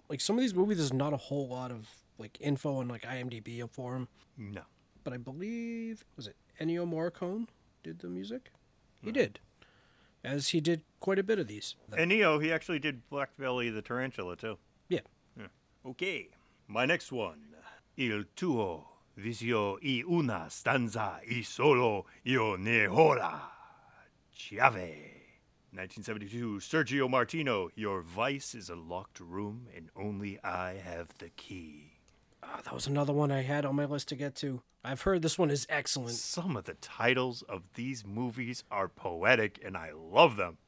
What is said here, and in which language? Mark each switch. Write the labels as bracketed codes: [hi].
[en] Like some of these movies, there's not a whole lot of like info on like IMDb for him. No. But I believe, was it Ennio Morricone did the music? He did. As he did quite a bit of these. Ennio, he actually did Black Belly the Tarantula too. Yeah. Okay. My next one. [it] Il tuo visio e una stanza e solo io ne ho la chiave. [en] 1972, Sergio Martino, your vice is a locked room and only I have the key. That was another one I had on my list to get to. I've heard this one is excellent. Some of the titles of these movies are poetic, and I love them.